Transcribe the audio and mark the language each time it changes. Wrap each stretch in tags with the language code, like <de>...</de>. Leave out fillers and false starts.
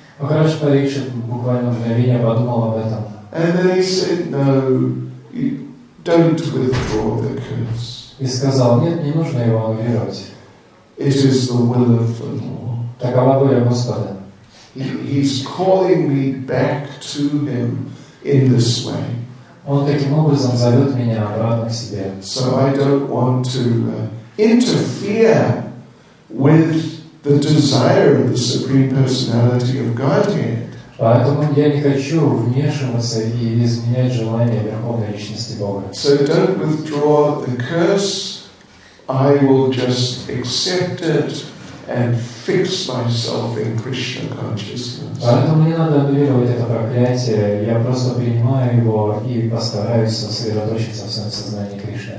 <ru>Махарадж Парикшит буквально мгновение подумал об этом.</ru> <en>And then he said, no, you don't withdraw the curse.</en> <ru>И сказал, нет, не нужно его аннулировать.</ru> <en>It is the will of the Lord.</en> <ru>Такова воля Господа.</ru> <en>He's calling me back to him in this way.</en> <ru>Он таким образом зовет меня обратно к себе.</ru> <en>So I don't want to interfere with the desire of the Supreme Personality of Godhead.</en> <ru>Поэтому я не хочу вмешиваться и изменять желание Верховной Личности Бога.</ru> <en>So don't withdraw the curse. I will just accept it and fix myself in Krishna consciousness.</en> <ru>Поэтому мне надо аннулировать это проклятие. Я просто принимаю его и постараюсь сосредоточиться в своем сознании Кришны.</ru>